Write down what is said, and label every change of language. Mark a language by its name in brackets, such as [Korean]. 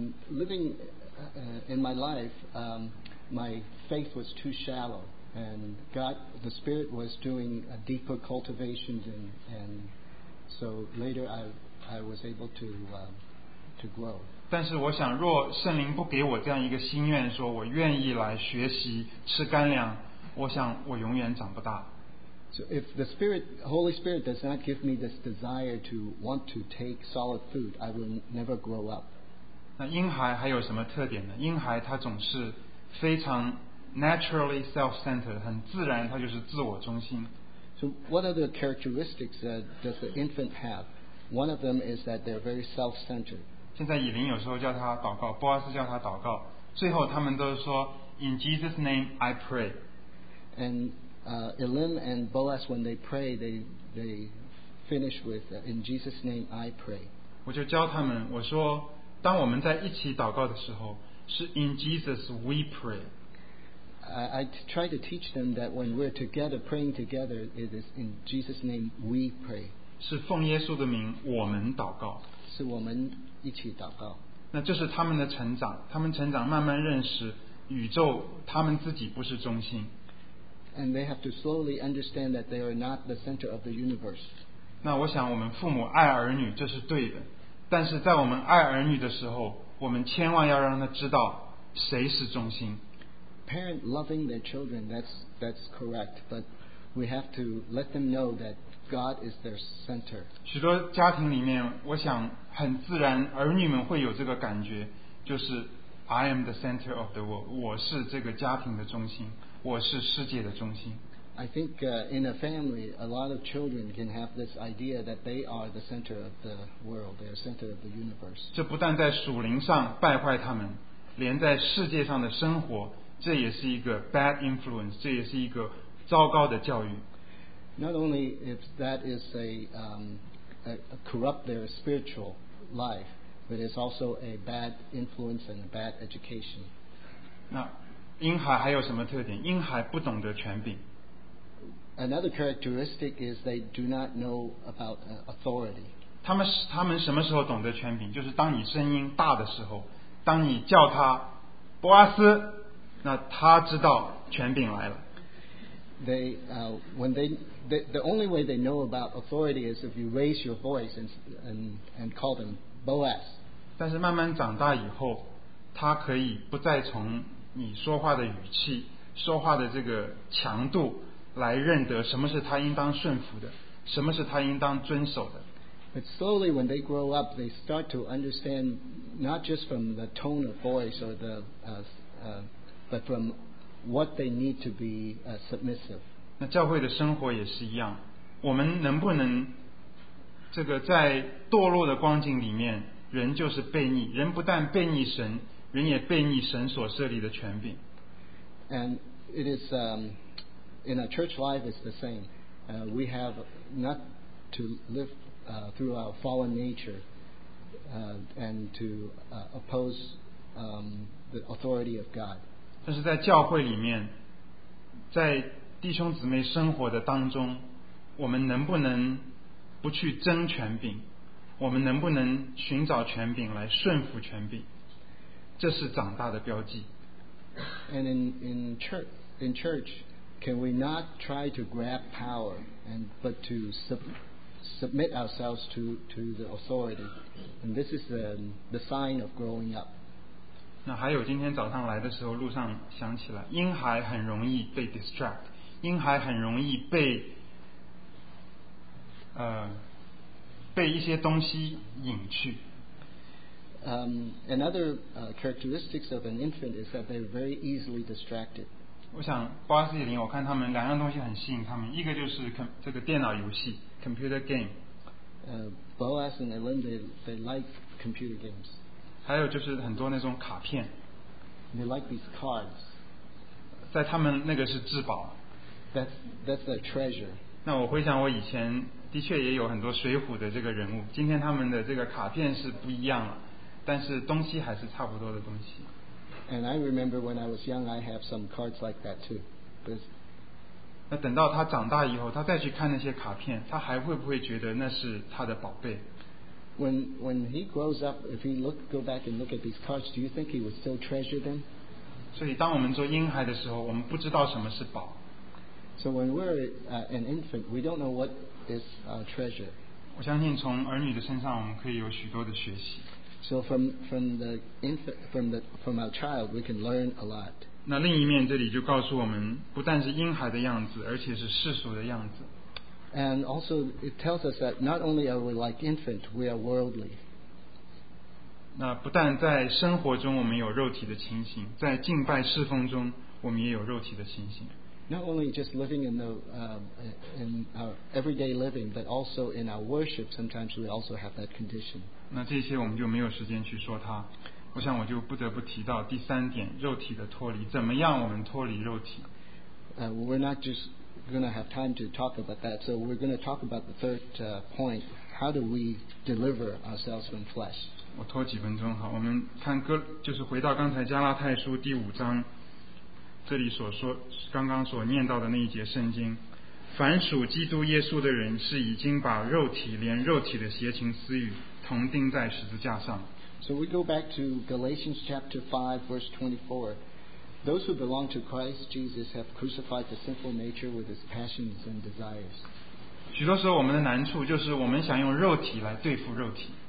[English] Living in my life, my faith was too shallow. And God, the Spirit was doing a deeper cultivation, and so later I was able to grow. [Chinese] 但是我想，若圣灵不给我这样一个心愿，说我愿意来学习吃干粮，我想我永远长不大。 [English] So if the Spirit, Holy Spirit, does not give me this desire to want to take solid food, I will never grow up. [Chinese] 那婴孩还有什么特点呢？婴孩他总是非常 [English] naturally self-centered, [Chinese] 很自然，他就是自我中心。 [English] So what are the characteristics that does the infant have? One of them is that they're very self-centered. [Chinese] 现在以琳有时候叫他祷告，波阿斯叫他祷告，最后他们都是说 [English] In Jesus' name I pray. And Elim and Boaz, when they pray, they finish with In Jesus' name I pray. [Chinese] 我就教他们，我说当我们在一起祷告的时候，是 [English] In Jesus we pray. I try to teach them that when we're together praying together, it is in Jesus' name we pray. [Chinese] 是奉耶稣的名我们祷告，是我们一起祷告。那这是他们的成长，他们成长慢慢认识宇宙，他们自己不是中心。 [English] And they have to slowly understand that they are not the center of the universe. [Chinese] 那我想我们父母爱儿女这是对的，但是在我们爱儿女的时候，我们千万要让他知道谁是中心。 [English] Parent loving their children, that's correct, but we have to let them know that God is their center. [Chinese] 许多家庭里面，我想很自然，儿女们会有这个感觉，就是 [English] I am the center of the world. [Chinese] 我是这个家庭的中心，我是世界的中心。 [English] I think in a family, a lot of children can have this idea that they are the center of the world, they are the center of the universe. [Chinese] 这不但在属灵上败坏他们，连在世界上的生活。这也是一个 [English] bad influence， [Chinese] 这也是一个糟糕的教育。 [English] Not only if that is a corrupt their spiritual life, but it's also a bad influence and a bad education. [Chinese] 那婴孩还有什么特点？婴孩不懂得权柄。 [English] Another characteristic is they do not know about authority. [Chinese] 他们什么时候懂得权柄？就是当你声音大的时候，当你叫他波阿斯。那他知道权柄来了。 [English] The only way they know about authority is if you raise your voice and call them Boaz. [Chinese] 但是慢慢长大以后，他可以不再从你说话的语气、说话的这个强度来认得什么是他应当顺服的，什么是他应当遵守的。 [English] But slowly, when they grow up, they start to understand not just from the tone of voice or the but from what they need to be submissive. [Chinese] 那教会的生活也是一样，我们能不能这个在堕落的光景里面，人就是悖逆，人不但悖逆神，人也悖逆神所设立的权柄。 [English] And it is in a church life it's the same. We have not to live through our fallen nature and to oppose the authority of God. [Chinese] 但是在教会里面，在弟兄姊妹生活的当中，我们能不能不去争权柄？我们能不能寻找权柄来顺服权柄？这是长大的标记。 [English] And in church, can we not try to grab power and but to submit ourselves to the authority? And this is the sign of growing up. [Chinese] 那还有今天早上来的时候路上想起来婴孩很容易被 distract 婴孩很容易被一些东西引去、 [English] another characteristics of an infant is that they're very easily distracted [Chinese] 我想巴斯里林我看他们两样东西很吸引他们一个就是这个电脑游戏 computer game [English] Boaz and Elim they like computer games [Chinese] 还有就是很多那种卡片 [English] They like these cards [Chinese] 在他们那个是至宝 [English] That's a treasure [Chinese] 那我回想我以前的确也有很多水浒的这个人物今天他们的这个卡片是不一样了但是东西还是差不多的东西 [English] And I remember when I was young I have some cards like that too、 [Chinese] 那等到他长大以后他再去看那些卡片他还会不会觉得那是他的宝贝 [English] When he grows up, if he go back and look at these cards, do you think he would still treasure them? [Chinese] 所以当我们做婴孩的时候，我们不知道什么是宝， [English] So when we're an infant, we don't know what is our treasure. [Chinese] 我相信从儿女的身上，我们可以有许多的学习。 [English] So from our child, we can learn a lot. [Chinese] 那另一面，这里就告诉我们，不但是婴孩的样子，而且是世俗的样子。 [English] And also, it tells us that not only are we like infant, we are worldly. [Chinese] 那不但在生活中我们有肉体的情形，在敬拜侍奉中我们也有肉体的情形。 [English] Not only just living in our everyday living, but also in our worship, sometimes we also have that condition. [Chinese] 那这些我们就没有时间去说它。我想我就不得不提到第三点，肉体的脱离，怎么样我们脱离肉体？ [English] We're not just going to have time to talk about that, so we're going to talk about the third point. How do we deliver ourselves from flesh? [Chinese] 我拖几分钟好，我们看哥，就是回到刚才加拉太书第五章。这里所说刚刚所念到的那一节圣经，凡属基督耶稣的人是已经把肉体连肉体的邪情私欲同钉在十字架上。 [English] So we go back to Galatians chapter 5 verse 24. Those who belong to Christ Jesus have crucified the sinful nature with his passions and desires. [Chinese] 许多时候我们的难处就是我们想用肉体来对付肉体。